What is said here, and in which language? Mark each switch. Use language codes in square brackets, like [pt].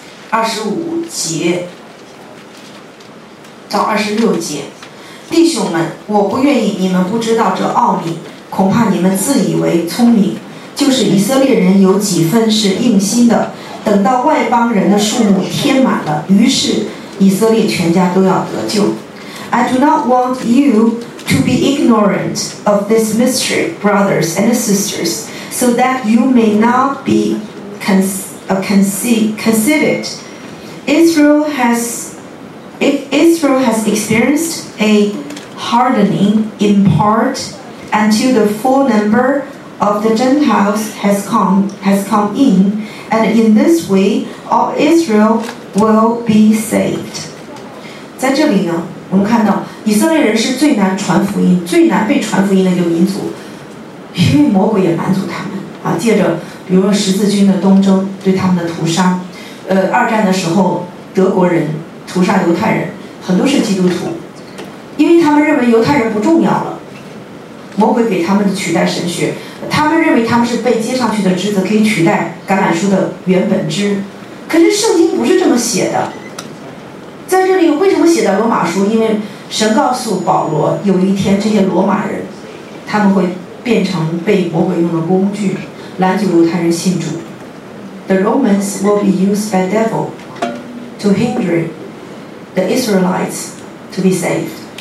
[zh] 25-26，弟兄们，我不愿意你们不知道这奥秘，恐怕你们自以为聪明，就是以色列人有几分是硬心的，等到外邦人的数目添满了，于是以色列全家都要得救。 [en] I do not want you to be ignorant of this mystery, brothers and sisters, so that you may not be conceited. Israel has experienced a hardening in part until the full number of the Gentiles has come in, and in this way all Israel will be saved. [zh] 在这里呢，我们看到以色列人是最难传福音、最难被传福音的一个民族，因为魔鬼也拦阻他们啊，借着比如说十字军的东征对他们的屠杀，二战的时候德国人屠杀犹太人，很多是基督徒，因为他们认为犹太人不重要了。魔鬼给他们的取代神学，他们认为他们是被接上去的枝子，可以取代橄榄树的原本枝。可是圣经不是这么写的，在这里为什么写在罗马书？因为神告诉保罗，有一天这些罗马人他们会变成被魔鬼用的工具，拦阻犹太人信主。 [en] The Romans will be used by devil to hinder the Israelites to be saved.